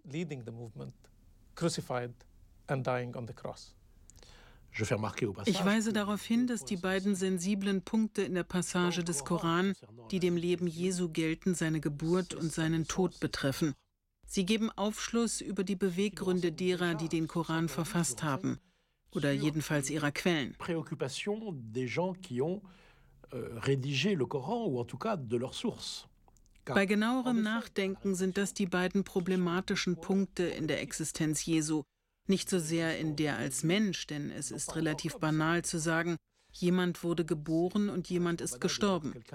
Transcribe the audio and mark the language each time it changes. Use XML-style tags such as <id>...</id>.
<de>Ich weise darauf hin, dass die beiden sensiblen Punkte in der Passage des Koran, die dem Leben Jesu gelten, seine Geburt und seinen Tod betreffen, Sie geben Aufschluss über die Beweggründe derer, die den Koran verfasst haben, oder jedenfalls ihrer Quellen.</de> <fr>Préoccupation des gens qui ont rédigé le Coran ou en tout cas de leurs sources.</fr> <de>Bei genauerem Nachdenken sind das die beiden problematischen Punkte in der Existenz Jesu. Nicht so sehr in der als Mensch, denn es ist relativ banal zu sagen, jemand wurde geboren und jemand ist gestorben.</de>